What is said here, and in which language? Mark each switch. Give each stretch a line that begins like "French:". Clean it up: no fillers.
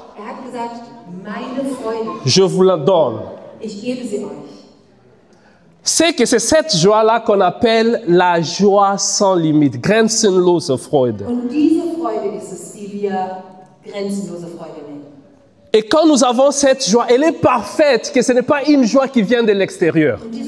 German: Er hat gesagt, meine Freude.
French: Je vous la donne.
German: Ich gebe sie euch.
French: C'est que c'est cette joie-là qu'on appelle la joie sans limite,
German: grenzenlose Freude. Und diese Freude ist es, die wir grenzenlose Freude nennen.
French: Et quand nous avons cette joie, elle est parfaite, que ce n'est pas une joie qui vient de l'extérieur.